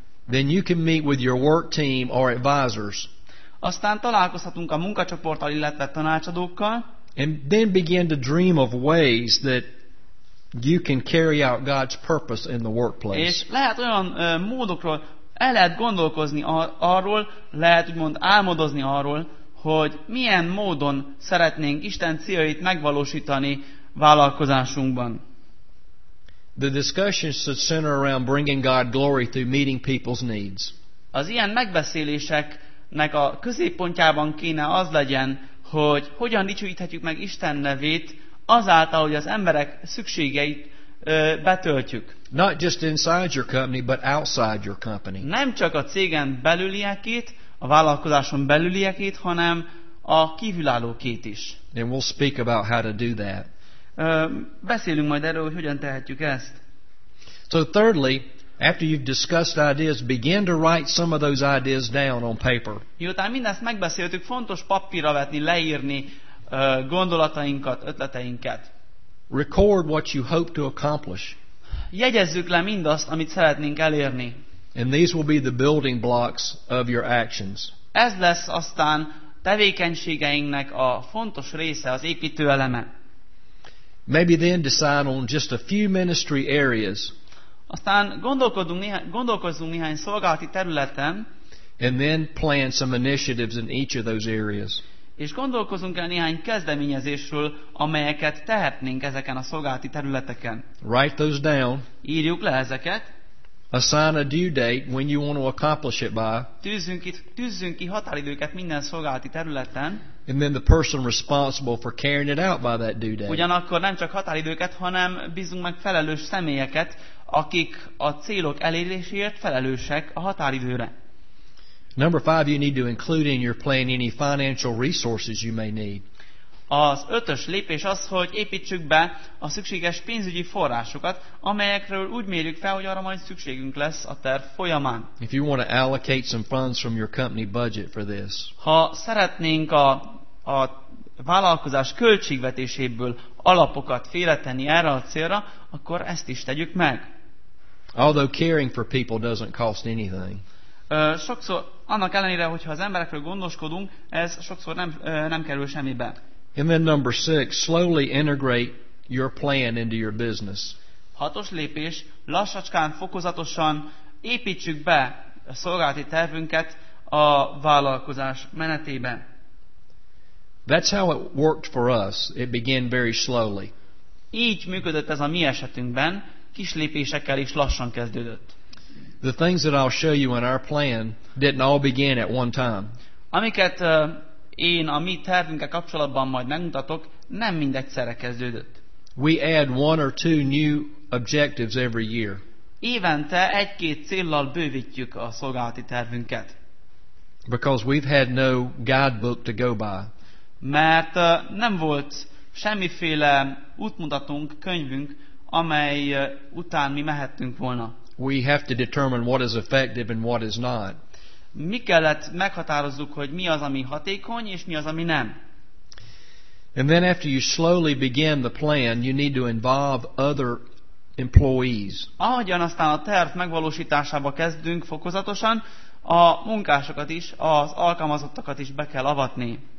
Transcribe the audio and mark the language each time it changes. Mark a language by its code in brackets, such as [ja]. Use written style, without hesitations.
[en] then you can meet with your work team or advisors. [hu] Aztán találkozhatunk a munkacsoporttal, illetve tanácsadókkal, [en] and then begin to dream of ways that you can carry out God's purpose in the workplace. [hu] És lehet olyan módokról, el lehet gondolkozni arról, lehet úgymond álmodozni arról, hogy milyen módon szeretnénk Isten céljait megvalósítani vállalkozásunkban. [en] The discussions should center around bringing God glory through meeting people's needs. [hu] Az ilyen megbeszéléseknek a középpontjában kéne az legyen, hogy hogyan dicsőíthetjük meg Isten nevét azáltal, hogy az emberek szükségeit betöltjük. [en] Not just inside your company, but outside your company. [hu] Nem csak a cégen belüliekét, a vállalkozáson belüliekét, hanem a kívülállókét is. [en] And we'll speak about how to do that. [hu] Beszélünk majd erről, hogy hogyan tehetjük ezt. [en] So thirdly, after you've discussed ideas, begin to write some of those ideas down on paper. [hu] Miután mindezt megbeszéltük, fontos papírra vetni, leírni gondolatainkat, ötleteinket. [en] Record what you hope to accomplish. [hu] Jegyezzük le mindazt, amit szeretnénk elérni. [en] And these will be the building blocks of your actions. [hu] Ez lesz aztán tevékenységeinknek a fontos része, az építő eleme. [en] Maybe then decide on just a few ministry areas. [hu] Aztán gondolkozzunk néhány szolgálati területen. [en] And then plan some initiatives in each of those areas. [hu] És gondolkozunk el néhány kezdeményezésről, amelyeket tehetnénk ezeken a szolgálati területeken. [en] Write those down. [hu] Írjuk le ezeket. [en] Assign a due date when you want to accomplish it by. [hu] Tűzzünk ki határidőket minden szolgálati területen. [en] And then the person responsible for carrying it out by that due date. [hu] Ugyanakkor nem csak határidőket, hanem bízunk meg felelős személyeket, akik a célok eléréséért felelősek a határidőre. [en] Number five, you need to include in your plan any financial resources you may need. [hu] Az ötös lépés az, hogy építsük be a szükséges pénzügyi forrásokat, amelyekről úgy mérjük fel, hogy arra majd szükségünk lesz a terv folyamán. [en] If you want to allocate some funds from your company budget for this. [hu] Ha szeretnénk a vállalkozás költségvetéséből alapokat félretenni erre a célra, akkor ezt is tegyük meg. [en] Although caring for people doesn't cost anything. [hu] Sokszor, annak ellenére, hogyha az emberekről gondoskodunk, ez sokszor nem kerül semmibe. [en] And then number six, slowly integrate your plan into your business. [hu] Hatos lépés, lassacskán, fokozatosan építsük be a szolgálati tervünket a vállalkozás menetébe. [en] That's how it worked for us. It began very slowly. [hu] Így működött ez a mi esetünkben, kis lépésekkel is lassan kezdődött. [en] The things that I'll show you in our plan didn't all begin at one time. [hu] Amiket én a mi tervünkkel kapcsolatban majd megmutatok, nem mind egyszerre kezdődött. [en] We add one or two new objectives every year. [hu] Évente egy-két céllal bővítjük a szolgálati tervünket. [en] Because we've had no guidebook to go by. [hu] Mert nem volt semmiféle útmutatónk, könyvünk, amely után mi mehettünk volna. [en] We have to determine what is effective and what is not. [hu] Mi kellett meghatározzuk, hogy mi az, ami hatékony, és mi az, ami nem. [en] And then after you slowly begin the plan, you need to involve other employees. [hu] Ahogyan aztán a terv megvalósításába kezdünk fokozatosan, a munkásokat is, az alkalmazottakat is be kell avatni.